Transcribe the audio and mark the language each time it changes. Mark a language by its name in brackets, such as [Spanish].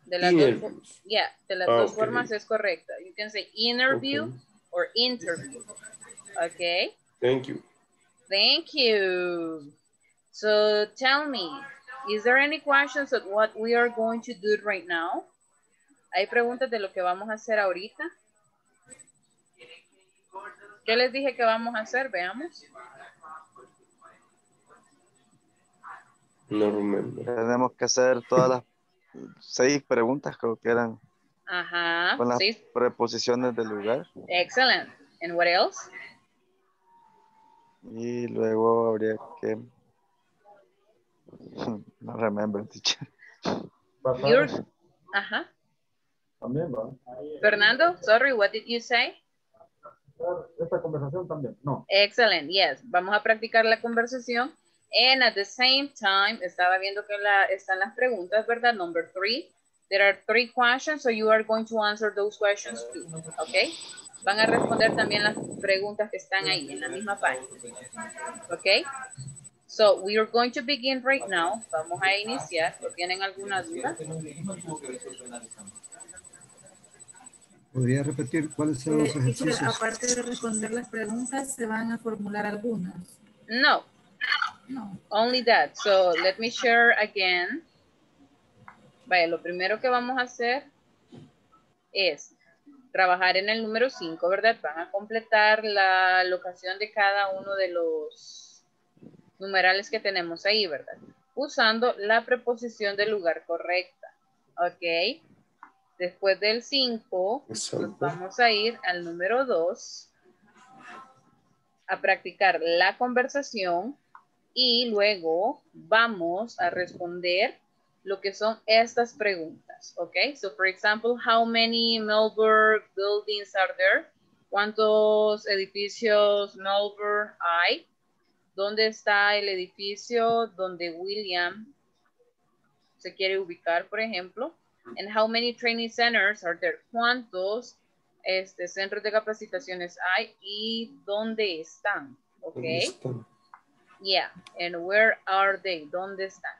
[Spanish] De las dos formas es correcta. [English] You can say interview. Okay. Or interview. Okay. Thank you. Thank you. So tell me, is there any questions of what we are going to do right now? [Spanish] ¿Hay preguntas de lo que vamos a hacer ahorita? ¿Qué les dije que vamos a hacer? Veamos. [English] No remember. [Spanish] Tenemos que hacer todas las 6 preguntas, creo que eran. Ajá. Con las preposiciones del lugar. [English] Excellent. And what else? [Spanish] Y luego habría que... [English] No remember, teacher. Ajá. Fernando, sorry, what did you say? [Spanish] Esta conversación también, no. [English] Excellent, yes. [Spanish] Vamos a practicar la conversación. [English] And at the same time, [Spanish] estaba viendo que están las preguntas, ¿verdad? [English] Number 3. There are 3 questions, so you are going to answer those questions too, okay? [Spanish] Van a responder también las preguntas que están ahí en la misma página, okay? [English] So we are going to begin right now. [Spanish] Vamos a iniciar. ¿Tienen alguna duda? ¿Podría repetir cuáles son los ejercicios? Aparte de responder las preguntas, se van a formular algunas. No. No. [English] Only that. So let me share again. [Spanish] Vaya, lo primero que vamos a hacer es trabajar en el número 5, ¿verdad? Van a completar la locación de cada uno de los numerales que tenemos ahí, ¿verdad? Usando la preposición del lugar correcta, ¿ok? Después del 5, vamos a ir al número 2 a practicar la conversación y luego vamos a responder lo que son estas preguntas, ¿ok? [English] So, for example, how many Melbourne buildings are there? [Spanish] ¿Cuántos edificios Melbourne hay? ¿Dónde está el edificio donde William se quiere ubicar, por ejemplo? [English] And how many training centers are there? [Spanish] ¿Cuántos centros de capacitaciones hay? ¿Y dónde están? ¿Ok? [English] Yeah, and where are they? [Spanish] ¿Dónde están?